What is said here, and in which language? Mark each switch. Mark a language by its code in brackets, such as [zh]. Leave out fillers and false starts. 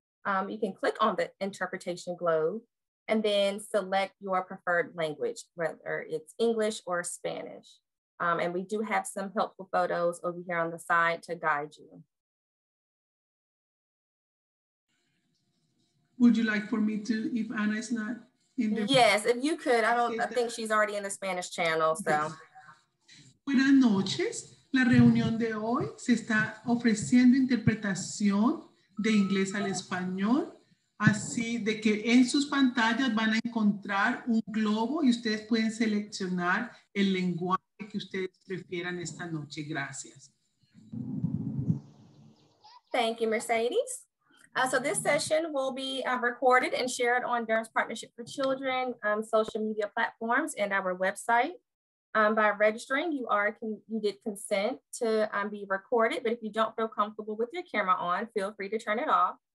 [en] You can click on the interpretation globe and then select your preferred language, whether it's English or Spanish. And we do have some helpful photos over here on the side to guide you. Would you like for me to, if Anna is not in the- Yes, if you could, I think she's already in the Spanish channel, so. [es] Buenas noches, la reunión de hoy se está ofreciendo interpretación de inglés al español. Así de que en sus pantallas van a encontrar un globo y ustedes pueden seleccionar el lenguaje que ustedes prefieran esta noche. Gracias. [en] Thank you, Mercedes. So this session will be recorded and shared on Durham's Partnership for Children social media platforms and our website. By registering, you did consent to be recorded, but if you don't feel comfortable with your camera on, feel free to turn it off.